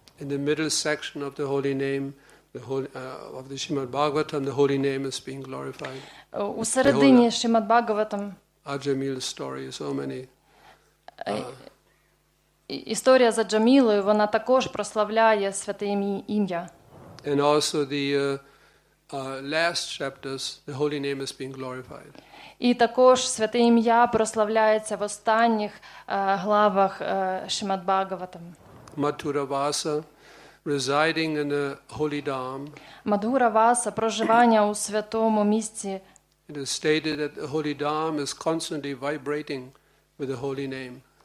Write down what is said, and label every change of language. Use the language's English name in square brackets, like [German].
[English] In the middle section of the holy name, of the Shrimad Bhagavatam, the holy name is being glorified. [Ukrainian] У середині Shrimad Bhagavatam. [English] Ajamil story, so many. [Ukrainian] Історія за Джамілою, вона також прославляє святе ім'я. [English] And also the last chapters, the holy name is being glorified. [Ukrainian] І також святе ім'я прославляється в останніх главах Shrimad Bhagavatam. [English] Mathura Vasa, residing in a holy dham. [Ukrainian] Madhura Vasa, проживання у святому місці. [English] It is stated that the holy dham is constantly vibrating with the holy name.